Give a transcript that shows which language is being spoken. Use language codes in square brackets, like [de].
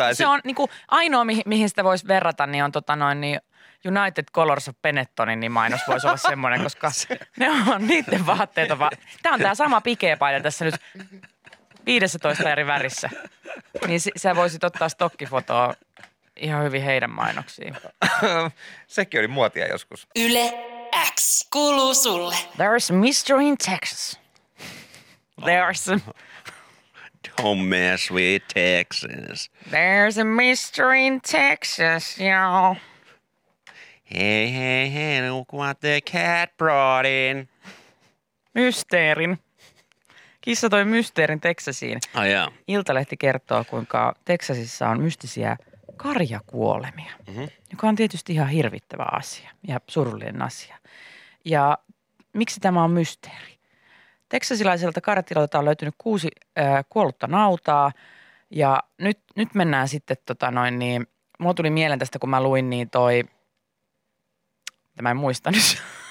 [fi] Se on niin kuin ainoa, mihin sitä voisi verrata, niin on niin United Colors of Benettonin niin mainos voisi olla semmoinen, koska ne on niiden vaatteita. Tämä on tämä sama pikeepaita tässä nyt 15 eri värissä. Niin sä voisit ottaa stokkifotoa ihan hyvin heidän mainoksiin. Sekin oli muotia joskus. Yle X kuuluu sulle. [en] There's a mystery in Texas. There's a don't mess with Texas. There's a mystery in Texas, y'all. Hey, hey, hey, look what the cat brought in. [fi] Mysteerin. Kissa toi mysteerin Teksasiin. Ai jaa. Iltalehti kertoo, kuinka Teksasissa on mystisiä karjakuolemia, mm-hmm. joka on tietysti ihan hirvittävä asia ja surullinen asia. Ja miksi tämä on mysteeri? Teksasilaiselta karjatilalta on löytynyt 6 kuollutta nautaa ja nyt mennään sitten mulla tuli mieleen tästä, kun mä luin niin toi, mä en muistanut.